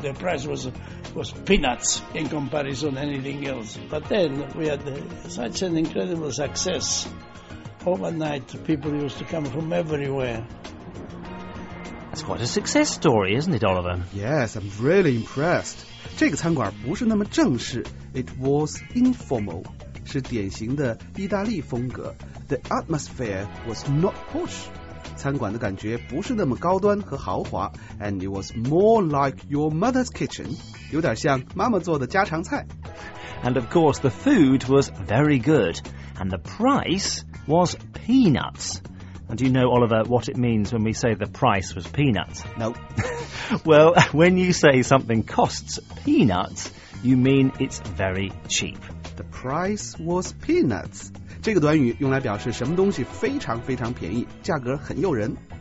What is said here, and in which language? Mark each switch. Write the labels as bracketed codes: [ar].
[en] The price was peanuts in comparison to anything else. But then we had such an incredible success. Overnight, people used to come from everywhere. That's quite a success story, isn't it, Oliver? Yes, I'm really impressed. [zh] 这个餐馆不是那么正式。 [en] It was informal. [zh] 是典型的意大利风格。 [en] The atmosphere was not posh. [zh] 餐馆的感觉不是那么高端和豪华。 [en] And it was more like your mother's kitchen. [zh] 有点像妈妈做的家常菜。 [en] And of course, the food was very good. And the price was peanuts. And do you know, Oliver, what it means when we say the price was peanuts? Nope. Well, when you say something costs peanuts, you mean it's very cheap. The price was peanuts. [zh] 这个短语用来表示什么东西非常非常便宜，价格很诱人。